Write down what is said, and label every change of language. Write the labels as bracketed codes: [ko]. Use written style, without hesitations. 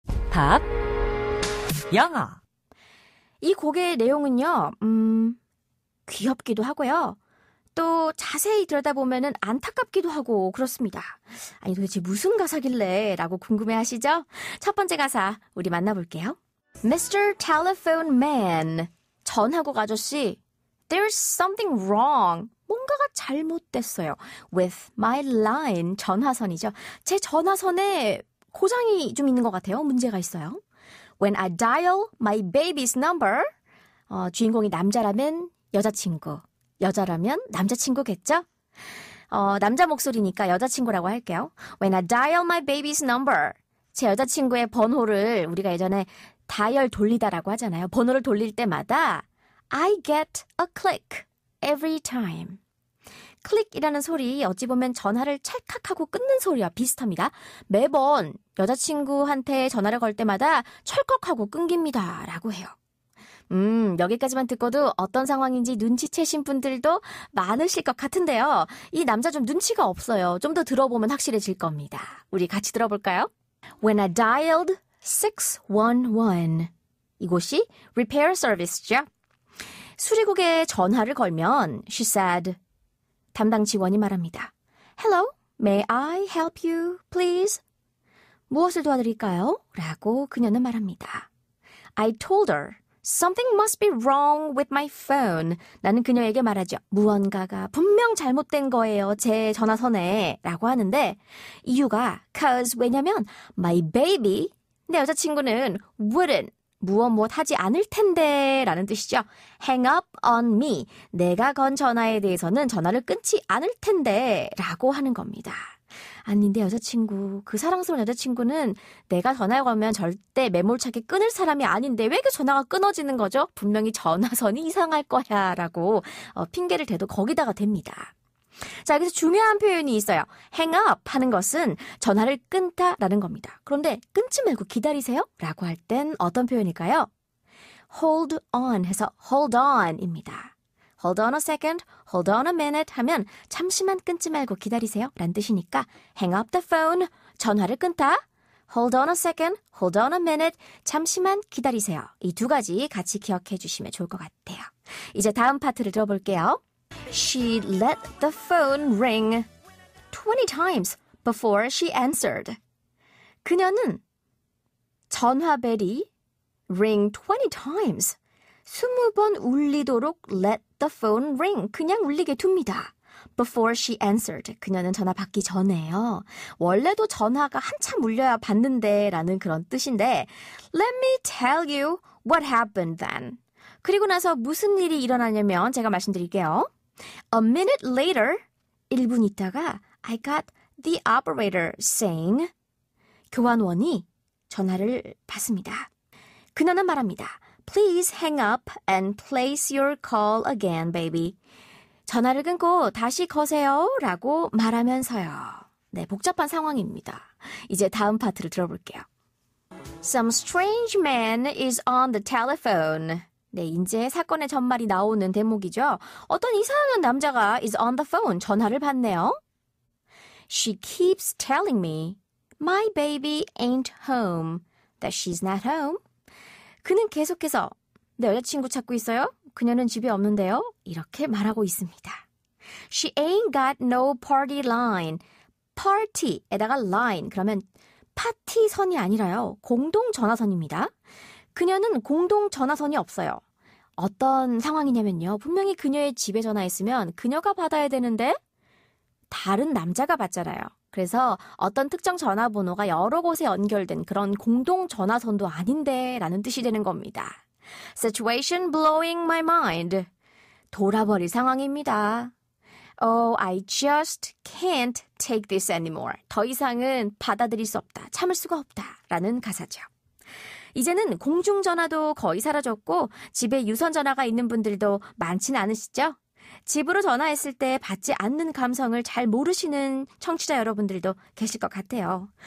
[ko] 팝 영어. 이 곡의 내용은요, 귀엽기도 하고요. 또 자세히 들여다보면 안타깝기도 하고 그렇습니다. 아니 도대체 무슨 가사길래 라고 궁금해하시죠? 첫 번째 가사 우리 만나볼게요. [en] Mr. Telephone Man, [ko] 전화국 아저씨, [en] There's something wrong. [ko] 뭔가가 잘못됐어요. [en] With my line, [ko] 전화선이죠. 제 전화선에 고장이 좀 있는 것 같아요. 문제가 있어요. [en] When I dial my baby's number, [ko] 주인공이 남자라면 여자친구, 여자라면 남자친구겠죠? 남자 목소리니까 여자친구라고 할게요. [en] When I dial my baby's number, [ko] 제 여자친구의 번호를 우리가 예전에 다이얼 돌리다라고 하잖아요. 번호를 돌릴 때마다 [en] I get a click every time. [ko] 클릭이라는 소리, 어찌 보면 전화를 찰칵하고 끊는 소리와 비슷합니다. 매번 여자친구한테 전화를 걸 때마다 철컥하고 끊깁니다. 라고 해요. 여기까지만 듣고도 어떤 상황인지 눈치채신 분들도 많으실 것 같은데요. 이 남자 좀 눈치가 없어요. 좀 더 들어보면 확실해질 겁니다. 우리 같이 들어볼까요? [en] When I dialed 611. [ko] 이곳이 repair service죠. 수리국에 전화를 걸면 [en] she said, [ko] 담당 직원이 말합니다. [en] Hello, may I help you, please? [ko] 무엇을 도와드릴까요? 라고 그녀는 말합니다. [en] I told her Something must be wrong with my phone. [ko] 나는 그녀에게 말하죠. 무언가가 분명 잘못된 거예요. 제 전화선에. 라고 하는데 이유가 cause 왜냐면 [en] my baby, [ko] 내 여자친구는 wouldn't. 무엇 무엇 하지 않을 텐데 라는 뜻이죠. [en] Hang up on me. [ko] 내가 건 전화에 대해서는 전화를 끊지 않을 텐데 라고 하는 겁니다. 아니 내 여자친구, 그 사랑스러운 여자친구는 내가 전화에 걸면 절대 매몰차게 끊을 사람이 아닌데 왜 그 전화가 끊어지는 거죠? 분명히 전화선이 이상할 거야 라고 핑계를 대도 거기다가 댑니다. 자, 여기서 중요한 표현이 있어요. Hang up 하는 것은 전화를 끊다 라는 겁니다. 그런데 끊지 말고 기다리세요 라고 할 땐 어떤 표현일까요? [en] Hold on 해서 hold on 입니다. Hold on a second, hold on a minute [ko] 하면 잠시만 끊지 말고 기다리세요 라는 뜻이니까 [en] Hang up the phone, [ko] 전화를 끊다. [en] Hold on a second, hold on a minute, [ko] 잠시만 기다리세요. 이 두 가지 같이 기억해 주시면 좋을 것 같아요. 이제 다음 파트를 들어볼게요. [en] She let the phone ring 20 times before she answered. [ko] 그녀는 전화벨이 [en] ring 20 times. [ko] 20번 울리도록 [en] let the phone ring. [ko] 그냥 울리게 둡니다. [en] Before she answered. [ko] 그녀는 전화 받기 전에요. 원래도 전화가 한참 울려야 받는데 라는 그런 뜻인데 [en] Let me tell you what happened then. [ko] 그리고 나서 무슨 일이 일어나냐면 제가 말씀드릴게요. [en] A minute later, [ko] 1분 있다가 [en] I got the operator saying, [ko] 교환원이 전화를 받습니다. 그녀는 말합니다. [en] Please hang up and place your call again, baby. [ko] 전화를 끊고 다시 거세요 라고 말하면서요. 네, 복잡한 상황입니다. 이제 다음 파트를 들어볼게요. [en] Some strange man is on the telephone. [ko] 네, 이제 사건의 전말이 나오는 대목이죠. 어떤 이상한 남자가 [en] is on the phone, [ko] 전화를 받네요. [en] She keeps telling me my baby ain't home, that she's not home. [ko] 그는 계속해서 내 여자친구 찾고 있어요? 그녀는 집에 없는데요? 이렇게 말하고 있습니다. [en] She ain't got no party line. [ko] Party에다가 line, 그러면 파티선이 아니라요. 공동전화선입니다. 그녀는 공동 전화선이 없어요. 어떤 상황이냐면요. 분명히 그녀의 집에 전화했으면 그녀가 받아야 되는데 다른 남자가 받잖아요. 그래서 어떤 특정 전화번호가 여러 곳에 연결된 그런 공동 전화선도 아닌데 라는 뜻이 되는 겁니다. [en] Situation blowing my mind. [ko] 돌아버릴 상황입니다. [en] Oh, I just can't take this anymore. [ko] 더 이상은 받아들일 수 없다. 참을 수가 없다. 라는 가사죠. 이제는 공중전화도 거의 사라졌고 집에 유선전화가 있는 분들도 많지는 않으시죠? 집으로 전화했을 때 받지 않는 감성을 잘 모르시는 청취자 여러분들도 계실 것 같아요.